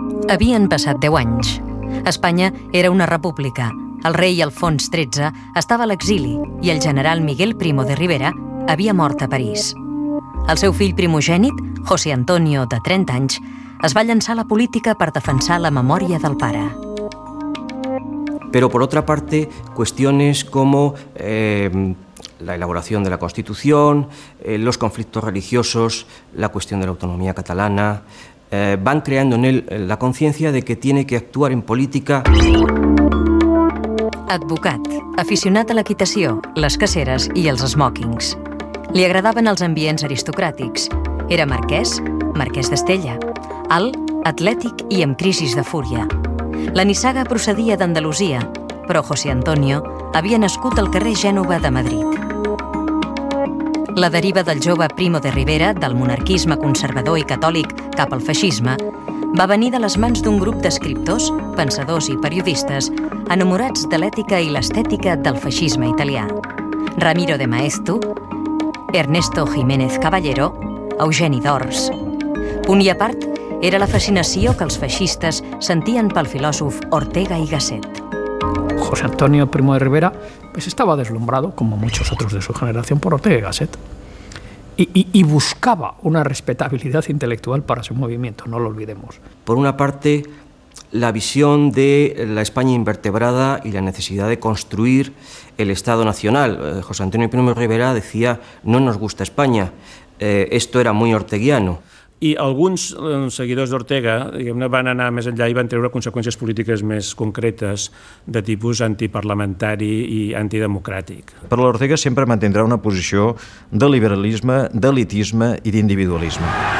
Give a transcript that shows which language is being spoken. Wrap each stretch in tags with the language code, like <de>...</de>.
<ca>Havien passat 10 anys. Espanya era una república. El rei Alfons XIII estava a l'exili i el general Miguel Primo de Rivera havia mort a París. El seu fill primogènit, José Antonio, de 30 anys, es va llançar a la política per defensar la memòria del pare.</ca> <es>Pero por otra parte, cuestiones como la elaboración de la Constitución, los conflictos religiosos, la cuestión de la autonomía catalana, van creando en él la conciencia de que tiene que actuar en política.</es> <ca>Advocat, aficionat a l'equitació, les caceres i els smokings. Li agradaven els ambients aristocràtics. Era marquès, marquès d'Estella, alt, atlètic i amb crisis de fúria. La nissaga procedia d'Andalusia, però José Antonio havia nascut al carrer Gènova de Madrid. La deriva del jove Primo de Rivera, del monarquisme conservador i catòlic cap al feixisme, va venir de les mans d'un grup d'escriptors, pensadors i periodistes enamorats de l'ètica i l'estètica del feixisme italià. Ramiro de Maeztu, Ernesto Jiménez Caballero, Eugeni d'Ors. Punt i a part era la fascinació que els feixistes sentien pel filòsof Ortega y Gasset.</ca> <es>José Antonio Primo de Rivera pues estaba deslumbrado, como muchos otros de su generación, por Ortega y Gasset. Y buscaba una respetabilidad intelectual para su movimiento, no lo olvidemos. Por una parte, la visión de la España invertebrada y la necesidad de construir el Estado Nacional. José Antonio Primo de Rivera decía, no nos gusta España, esto era muy orteguiano.</es> <ca>I alguns seguidors d'Ortega, diguem-ne, van anar més enllà i van treure conseqüències polítiques més concretes de tipus antiparlamentari i antidemocràtic. Però l'Ortega sempre mantindrà una posició de liberalisme, d'elitisme i d'individualisme.</ca>